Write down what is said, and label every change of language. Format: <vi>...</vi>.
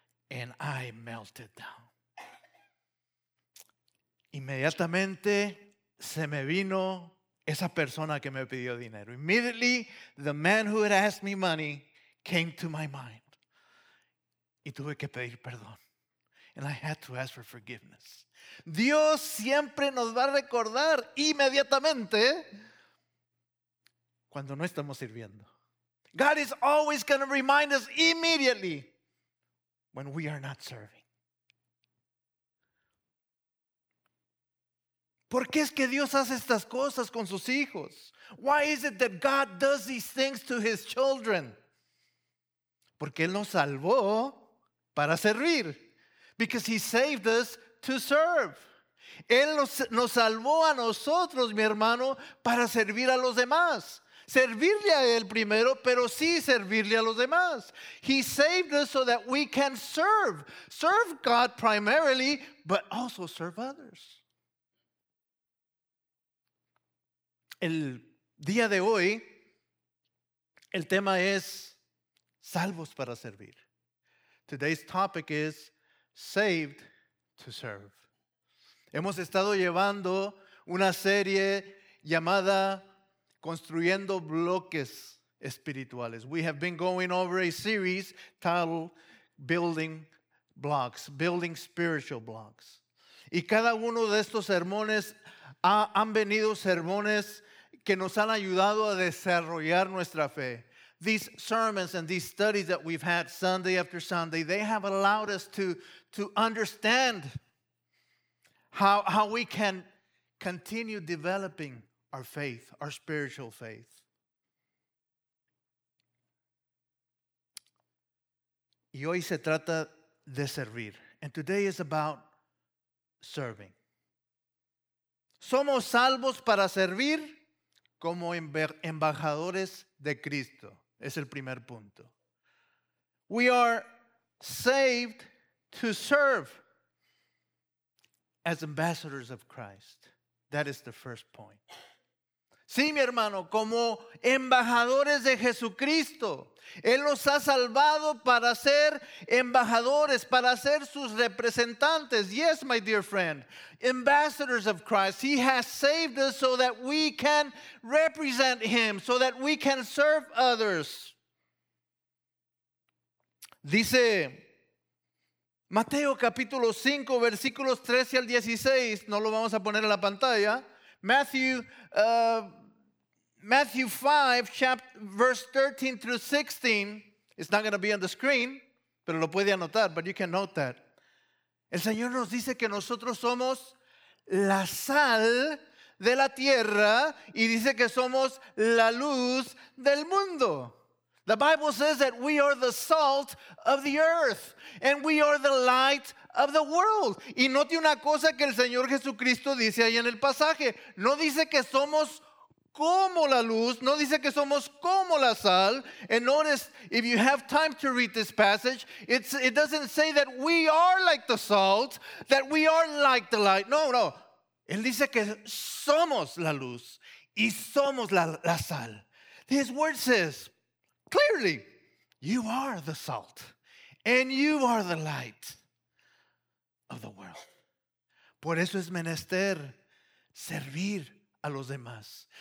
<en>And I melted down.</en> <es>Inmediatamente, se me vino esa persona que me pidió dinero.</es> <en>Immediately, the man who had asked me money came to my mind.</en> <es>Y tuve que pedir perdón.</es> <en>And I had to ask for forgiveness.</en> <es>Dios siempre nos va a recordar inmediatamente cuando no estamos sirviendo.</es> <en>God is always going to remind us immediately when we are not serving.</en> <es>¿Por qué es que Dios hace estas cosas con sus hijos?</es> <en>Why is it that God does these things to his children?</en> <es>Porque Él nos salvó para servir.</es> <en>Because he saved us to serve.</en> <es>Él nos salvó a nosotros, mi hermano, para servir a los demás. Servirle a él primero, pero sí servirle a los demás.</es> <en>He saved us so that we can serve. Serve God primarily, but also serve others.</en> <es>El día de hoy, el tema es salvos para servir.</es> <en>Today's topic is saved to serve.</en> <es>Hemos estado llevando una serie llamada Construyendo Bloques Espirituales.</es> <en>We have been going over a series titled Building Blocks, Building Spiritual Blocks.</en> <es>Y cada uno de estos sermones han venido sermones que nos han ayudado a desarrollar nuestra fe.</es> <en>These sermons and these studies that we've had Sunday after Sunday, they have allowed us to understand how we can continue developing our faith, our spiritual faith.</en> <es>Y hoy se trata de servir.</es> <en>And today is about serving.</en> <es>Somos salvos para servir como embajadores de Cristo. Es el primer punto.</es> <en>We are saved to serve as ambassadors of Christ. That is the first point.</en> <es>Sí, mi hermano, como embajadores de Jesucristo. Él los ha salvado para ser embajadores, para ser sus representantes.</es> <en>Yes, my dear friend, ambassadors of Christ. He has saved us so that we can represent him, so that we can serve others.</en> <es>Dice Mateo capítulo 5, versículos 13 al 16. No lo vamos a poner en la pantalla.</es> <en>Matthew 5, verse 13 through 16. It's not going to be on the screen,</en> <es>pero lo puede anotar,</es> <en>but you can note that.</en> <es>El Señor nos dice que nosotros somos la sal de la tierra y dice que somos la luz del mundo.</es> <en>The Bible says that we are the salt of the earth and we are the light of the world.</en> <es>Y note una cosa que el Señor Jesucristo dice ahí en el pasaje. No dice que somos como la luz, no dice que somos como la sal.</es> <en>And notice, if you have time to read this passage, it doesn't say that we are like the salt, that we are like the light.</en> <es>No. Él dice que somos la luz y somos la sal.</es> <en>His word says, clearly, you are the salt and you are the light of the world.</en> <es>Por eso es menester servir a los demás.</es>